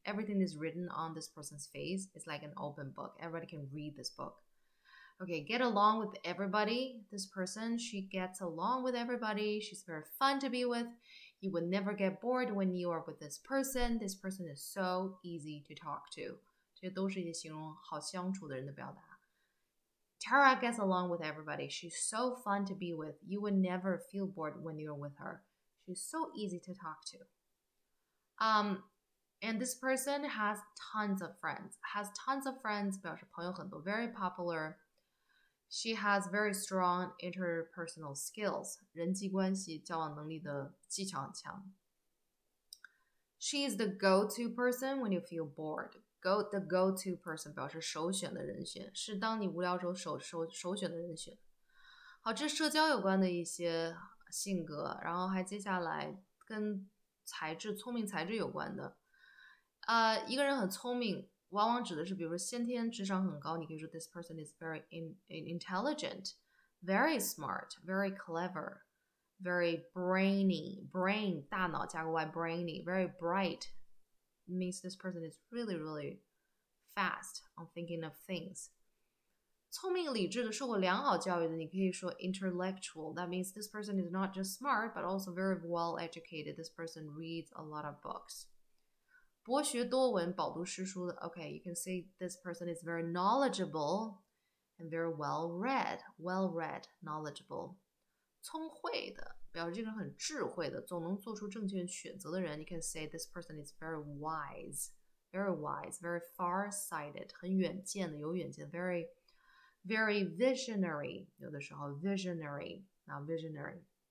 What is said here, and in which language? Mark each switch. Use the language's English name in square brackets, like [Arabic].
[English] Everything is written on this person's face. It's like an open book. Everybody can read this book. Okay, get along with everybody. This person, she gets along with everybody. She's very fun to be with. You would never get bored when you are with this person. This person is so easy to talk to. [Chinese] 这些都是一些形容好相处的人的表达。 [English] Tara gets along with everybody. She's so fun to be with. You would never feel bored when you're with her. She's so easy to talk to. And this person has tons of friends. Has tons of friends, [Chinese] 表示朋友很多, [English] very popular. She has very strong interpersonal skills. [Chinese] 人际关系交往能力的技巧很强。 [English] She is the go-to person when you feel bored. The go-to person [Chinese] 表示首选的人选是当你无聊时候首选的人选好这社交有关的一些性格然后还接下来跟才智聪明才智有关的一个人很聪明往往指的是比如说先天智商很高你可以说 [English] this person is very intelligent very smart very clever very brainy brain [Chinese] 大脑加个 [English] y brainy very brightmeans this person is really, really fast on thinking of things. [Chinese] 聪明理智的受过良好教育的你可以说 intellectual. [English] That means this person is not just smart, but also very well educated. This person reads a lot of books. [Chinese] 博学多闻,饱读诗书的 [English] Okay, you can say this person is very knowledgeable. And they're well-read, knowledgeable. [Chinese] 聪慧的，表示这个人很智慧的，总能做出正确选择的人。 [English] You can say this person is very wise, very far-sighted, [Chinese] 很远见的，有远见的。 [English] Very, very visionary, [Chinese] 有的时候 [English] visionary, not visionary.